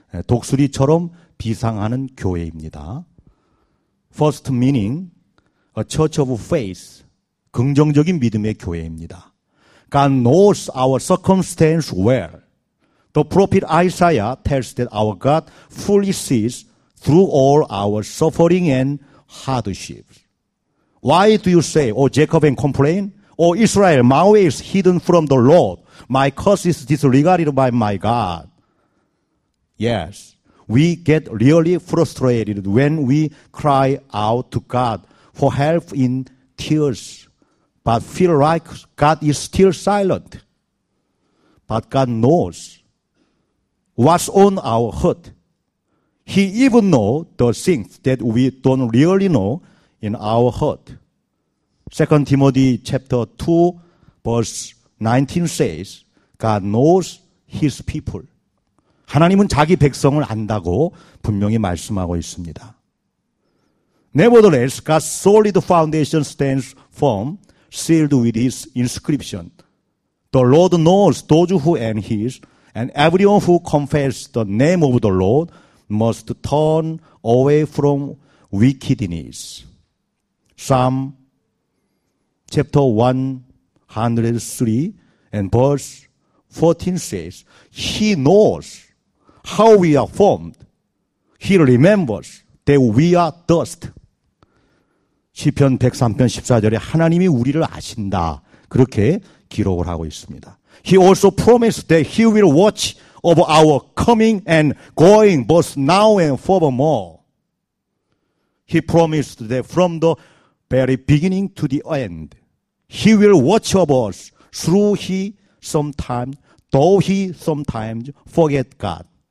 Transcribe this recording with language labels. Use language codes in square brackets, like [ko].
[ko] 독수리처럼 비상하는 교회입니다. [en] First meaning, a church of faith. [ko] 긍정적인 믿음의 교회입니다. [en] God knows our circumstance well. The prophet Isaiah tells that our God fully sees through all our suffering and hardships. Why do you say, O Jacob, and complain? O Israel, my way is hidden from the Lord. My curse is disregarded by my God. Yes, we get really frustrated when we cry out to God for help in tears, but feel like God is still silent. But God knows what's on our heart. He even knows the things that we don't really know in our heart. 2 Timothy chapter 2, verse 19 says, God knows His people. [ko] 하나님은 자기 백성을 안다고 분명히 말씀하고 있습니다. [en] Nevertheless, God's solid foundation stands firm, sealed with His inscription. The Lord knows those who are His, and everyone who confesses the name of the Lord must turn away from wickedness. Psalm chapter 103 and verse 14 says, He knows how we are formed. He remembers that we are dust. [ko] 시편 103편 14절에 하나님이 우리를 아신다. 그렇게 기록을 하고 있습니다. [en] He also promised that He will watch over our coming and going both now and forevermore. He promised that from the very beginning to the end, He will watch over us though He sometimes forget God.